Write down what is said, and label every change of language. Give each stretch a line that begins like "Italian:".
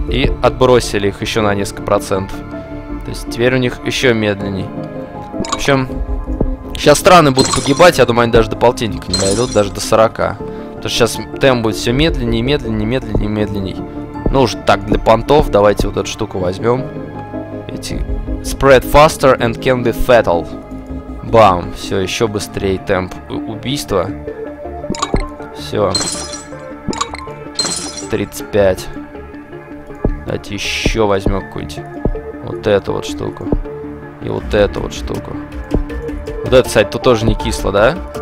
Russian: И отбросили их еще на несколько процентов. То есть теперь у них еще медленней. В общем, сейчас страны будут погибать. Я думаю, они даже до полтинника не дойдут. Даже до 40. Потому что сейчас темп будет все медленнее, медленнее, медленнее, медленней. Ну уж так, для понтов давайте вот эту штуку возьмем. Эти...
English: Spread faster and can be fatal.
Russian: Бам. Все, еще быстрее темп убийства. Все. 35. Давайте еще возьмем какую-нибудь вот эту вот штуку. И вот эту вот штуку. Вот это, кстати, тут тоже не кисло, да?